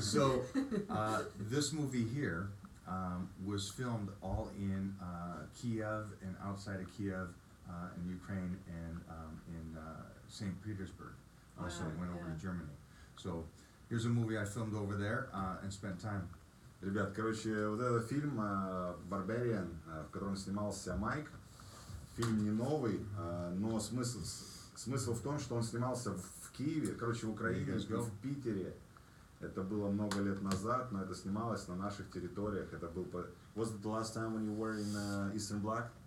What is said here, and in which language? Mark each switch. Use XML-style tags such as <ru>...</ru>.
<en>So, this movie here. Was filmed all in Kiev and outside of Kiev in Ukraine and in St. Petersburg. Also went over to Germany. So here's a movie I filmed over there and spent time.</en> <ru>Ребят, короче, вот этот фильм Barbarian, в котором снимался Майк, фильм не новый, но смысл в том, что он снимался в Киеве, короче, в Украине, в Питере. Это было много лет назад, но это снималось на наших территориях. Это был по.</ru> <en>Was it the last time when you were in Eastern Bloc?</en>